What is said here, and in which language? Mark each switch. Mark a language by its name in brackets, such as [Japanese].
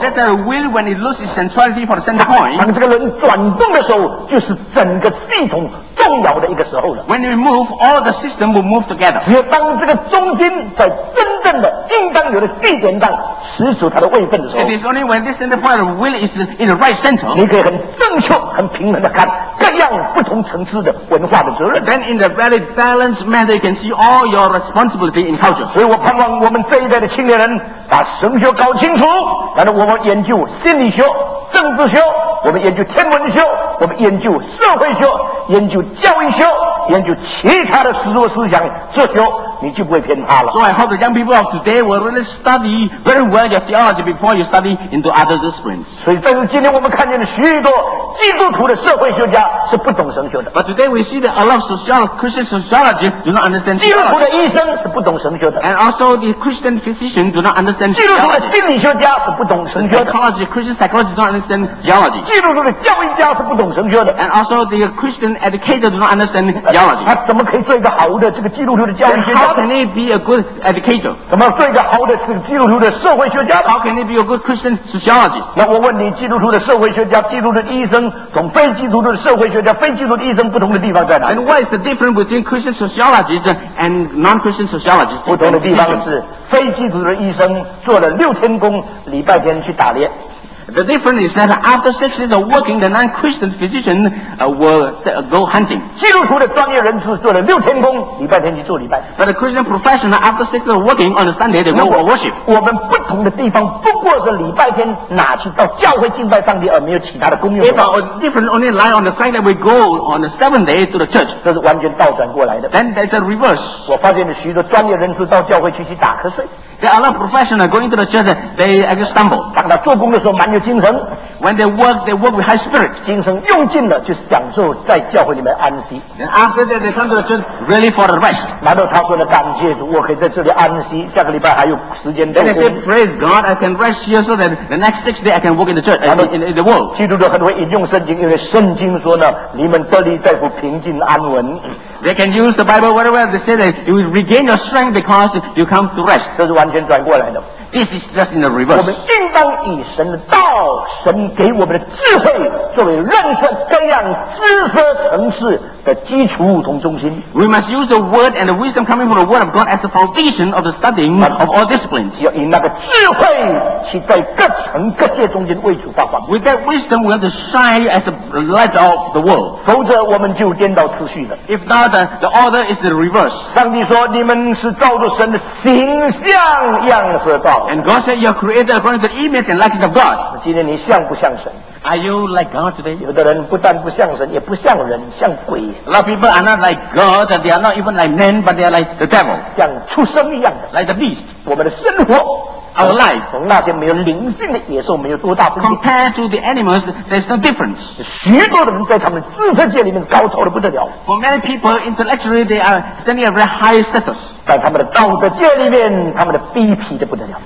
[English] That's a wheel when it loses its centrality for the center point [Chinese] 当这个轮转动的时候就是整个系统重要的一个时候了 [English] When we move, all the system will move together [Chinese] 只有当这个中心在真正的应当有的地点上持住它的位分的时候 [English] It is only when this center point of will is in the right center [Chinese] 你可以很正确很平衡的看各样不同层次的文化的责任 [English] Then in the very balanced manner you can see all your responsibility in culture [Chinese] 所以我盼望我们这一代的青年人把神学搞清楚然后我们研究心理学政治学我们研究天文学我们研究社会学研究教育学研究其他的思想哲学你就不会偏差了 [English] So I hope the young people of today will really study very well your theology before you study into other disciplines [Chinese] 所以但是今天我们看见了许多基督徒的社会学家是不懂神学的 [English] But today we see that a lot of Christian sociology do not understand [Chinese] 基督徒的医生是不懂神学的 [English] And also the Christian physician do not understand [Chinese] 基督徒的心理学家是不懂神学的 [English] psychology, Christian psychology do not understand theology [Chinese] 基督徒的教育家是不懂神学的 [English] And also the Christian educator do not understand theology [Chinese] 他怎么可以做一个好的这个基督徒的教育学家 [English] How can he be a good educator? [Chinese] 怎么做一个好的是基督徒的社会学家 [English] How can he be a good Christian sociologist? [Chinese] 那我问你基督徒的社会学家基督徒的医生从非基督徒的社会学家非基督徒的医生不同的地方在哪 [English] And what is the difference between Christian sociologists and non-Christian sociologists? [Chinese] 不同的地方是非基督徒的医生做了六天工礼拜天去打猎 [English] The difference is that after 6 years of working the non-Christian physician will go hunting [Chinese] 基督徒的专业人士做了六天工礼拜天去做礼拜 [English] But a Christian professional after 6 days of working on a Sunday they will worship [Chinese] 我们不同的地方不过是礼拜天哪去到教会敬拜上帝而没有其他的功用 [English] If our difference only lies on the fact that we go on the 7th day to the church [Chinese] 这是完全倒转过来的 [English] Then there's a reverse [Chinese] 我发现了许多专业人士到教会去打瞌睡 [English] There are a lot of professionals going to the church they actually stumble [Chinese] 当他做工的时候蛮有精神 [English] When they work with high spirit [Chinese] 精神用尽了就是享受在教会里面安息 [English] Then after that they come to the church really for the rest [Chinese] 然后他说了感谢主我可以在这里安息下个礼拜还有时间 [English] Then they say praise God I can rest here so that the next 6 days I can work in the church in the world [Chinese] 基督徒很会引用圣经因为圣经说呢你们得力在乎平静安稳 [English] They can use the Bible whatever they say that you will regain your strength because you come to rest [Chinese] 这是完全转过来的 [English] This is just in the reverse. [Chinese] 我们应当以神的道神给我们的智慧作为认识各样知识层次的基础同中心 [English] We must use the word and the wisdom coming from the word of God as the foundation of the studying of all disciplines [Chinese] 要以那个智慧去在各层各界中间为主发光 [English] With that wisdom we have to shine as the light of the world [Chinese] 否则我们就颠倒次序了 [English] If not the order is the reverse [Chinese] 上帝说你们是照着神的形象样式造 [English] And God said you are created according to the image and likeness of God [Chinese] 今天你像不像神 [English] Are you like God today? [Chinese] 有的人不但不像神也不像人像鬼 [English] A lot of people are not like God They are not even like men But they are like the devil [Chinese] 像畜生一样的 [English] Like the beast [Chinese] 我们的生活 [English] Our life [Chinese] 从那些没有灵性的野兽没有多大不 [English] Compared to the animals There is no difference [Chinese] 许多的人在他们知识界里面高潮得不得了 [English] For many people intellectually They are standing at a very high status [Chinese] 在他们的道德界里面他们的卑鄙的不得了